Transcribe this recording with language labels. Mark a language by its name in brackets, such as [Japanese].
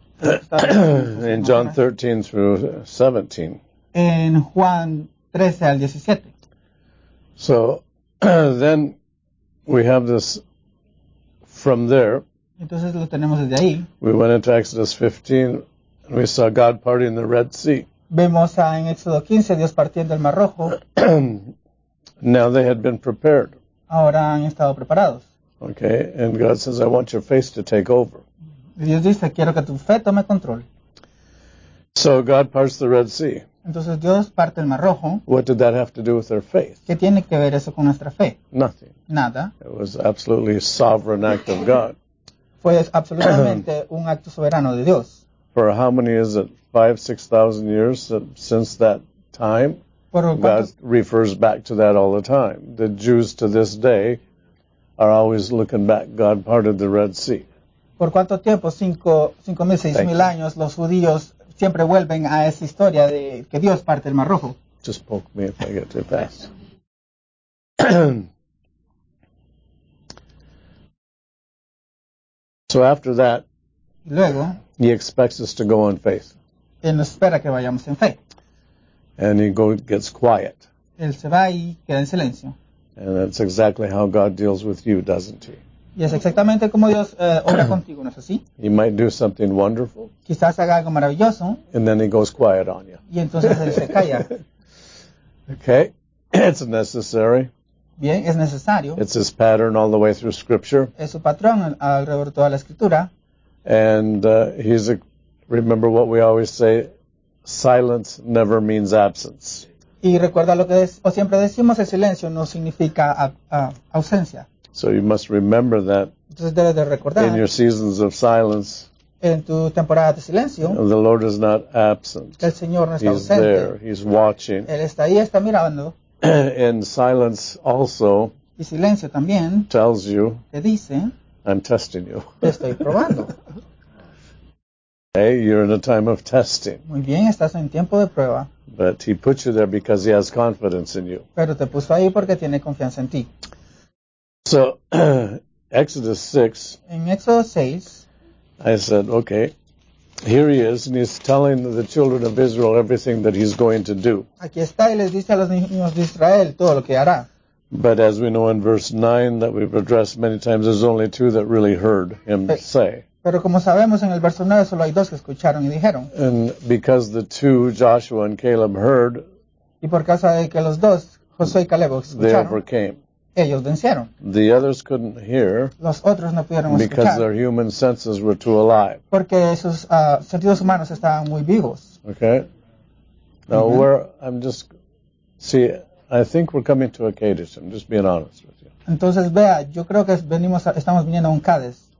[English] In John 13 through 17. [Spanish] En Juan 13 al 17. [English] So, then we have this from there. [Spanish] Entonces lo tenemos desde ahí. [English] We went into Exodus 15 and we saw God parting the Red Sea. [Spanish] Vemos en Éxodo 15 Dios partiendo el Mar Rojo. [English] Now they had been prepared. [Spanish] Ahora han estado preparados. [English] Okay, and God says, I want your face to take over. [Spanish] Dios dice, quiero que tu fe tome control. [English] So God parts the Red Sea. [Spanish] Entonces Dios parte el Mar Rojo. [English] What did that have to do with their faith? [Spanish] ¿Qué tiene que ver eso con nuestra fe? [English] Nothing. [Spanish] Nada. [English] It was absolutely a sovereign act of God. [Spanish] Fue absolutamente un acto soberano de Dios. [English] For how many is it? 5,000-6,000 years since that time? God refers back to that all the time. The Jews to this day are always looking back. God parted the Red Sea. [Spanish] ¿Por cuánto tiempo? 5,000-6,000 años los judíos siempre vuelven a esa historia de que Dios parte el Mar Rojo. [English] Just poke me if I get too fast. So after that, [Spanish] luego, [English] he expects us to go on faith. [Spanish] Él espera que vayamos en fe. [English] And he gets quiet. [Spanish] Él se va y queda en silencio. [English] And that's exactly how God deals with you, doesn't he? [Spanish] Y es exactamente como Dios obra contigo, ¿no es así? [English] He might do something wonderful. [Spanish] Quizás haga algo maravilloso. [English] And then he goes quiet on you. [Spanish] Y entonces él se calla. [English] Okay, it's necessary. [Spanish] Bien, es necesario. [English] It's his pattern all the way through Scripture. [Spanish] Es su patrón alrededor de toda la Escritura. [English] And remember what we always say, silence never means absence. [Spanish] Y recuerda lo que siempre decimos, el silencio no significa ausencia. [English] So you must remember that. [Spanish] Entonces debes de recordar. [English] In your seasons of silence. [Spanish] En tu temporada de silencio. [English] You know, the Lord is not absent. [Spanish] El Señor no está [English] He's [Spanish] ausente. [English] There. He's watching. [Spanish] Él está ahí, está mirando. [English] And silence also. [Spanish] Y silencio también. [English] Tells you. [Spanish] Te dice. [English] I'm testing you. [Spanish] Te estoy probando. [English] Okay, you're in a time of testing. [Spanish] Muy bien, estás en tiempo de prueba. [English] But He puts you there because He has confidence in you. [Spanish] Pero te puso ahí porque tiene confianza en ti. [English] So, Exodus 6. [Spanish] En Éxodo 6. [English] I said, okay, here He is, and He's telling the children of Israel everything that He's going to do. [Spanish] Aquí está y les dice a los niños de Israel todo lo que hará. [English] But as we know in verse 9 that we've addressed many times, there's only two that really heard Him say. [Spanish] Pero como sabemos en el verso 9 solo hay dos que escucharon y dijeron. [English] And because the two, Joshua and Caleb, heard. [Spanish] Y por causa de que los dos, Josué y Caleb, escucharon. [English] They overcame. [Spanish] Ellos vencieron. [English] The others couldn't hear. [Spanish] Los otros no pudieron escuchar. [English] Because their human senses were too alive. [Spanish] Porque sus sentidos humanos estaban muy vivos. [English] Okay. Now I think we're coming to a Kadesh. I'm just being honest with you. [Spanish] Entonces vea, yo creo que estamos viniendo a un Kadesh.